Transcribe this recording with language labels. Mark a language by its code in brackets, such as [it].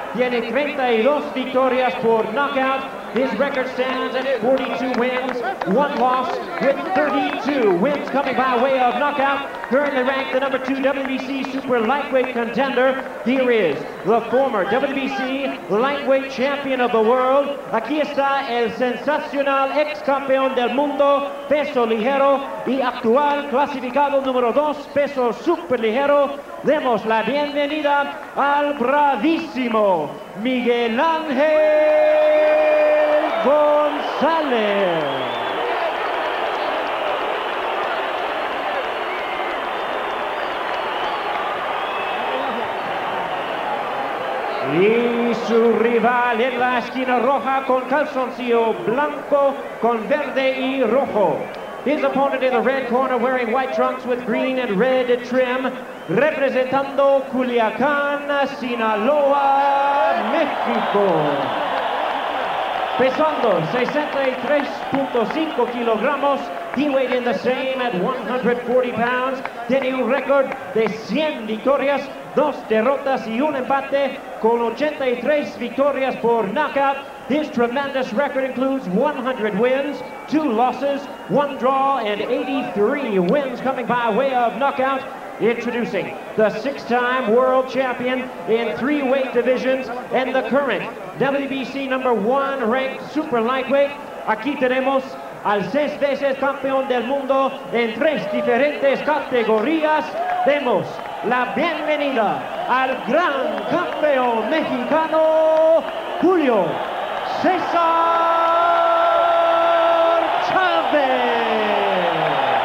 [es] Tiene 32 victorias por knockout. [en] His record stands at 42 wins, one loss, with 32 wins coming by way of knockout. Currently ranked the number two WBC super lightweight contender, here is the former WBC lightweight champion of the world. [es] Aquí está el sensacional ex campeón del mundo, peso ligero, y actual clasificado número dos, peso super ligero. Demos la bienvenida al bravísimo Miguel Ángel Gonzalez. Y su rival en la esquina roja con calzoncillo blanco con verde y rojo. [en] His opponent in the red corner wearing white trunks with green and red trim, [es] representando Culiacán, Sinaloa, México. Pesando 63.5 kilogramos, [en] he weighed in the same at 140 pounds. [es] Tiene un récord de 100 victorias, dos derrotas y un empate, con 83 victorias por knockout. [en] His tremendous record includes 100 wins, two losses, one draw, and 83 wins coming by way of knockout. Introducing the six-time world champion in three weight divisions and the current WBC number one ranked super lightweight. [es] Aquí tenemos al seis veces campeón del mundo en tres diferentes categorías. Demos la bienvenida al gran campeón mexicano, Julio Cesar Chavez.